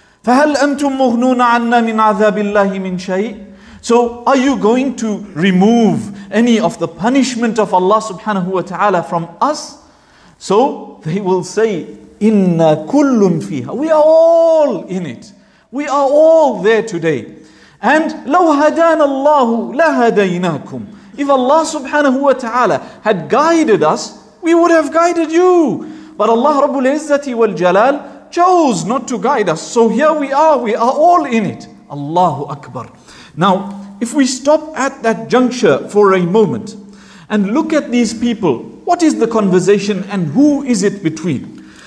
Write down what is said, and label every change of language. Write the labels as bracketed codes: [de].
[ar] فَهَلْ أَنْتُمْ مُغْنُونَ عَنَّا مِنْ عَذَابِ اللَّهِ مِنْ شَيْءٍ. [en] So are you going to remove any of the punishment of Allah subhanahu wa ta'ala from us? So they will say, [ar] إِنَّا كُلٌّ فِيهَا. [en] We are all in it. We are all there today. [ar] And لَوْ هَدَانَ اللَّهُ لَهَدَيْنَاكُمْ. [en] If Allah subhanahu wa ta'ala had guided us, we would have guided you. But Allah Rabbul Izzati wal Jalal chose not to guide us. So here we are all in it. Allahu Akbar. Now, if we stop at that juncture for a moment and look at these people, what is the conversation and who is it between?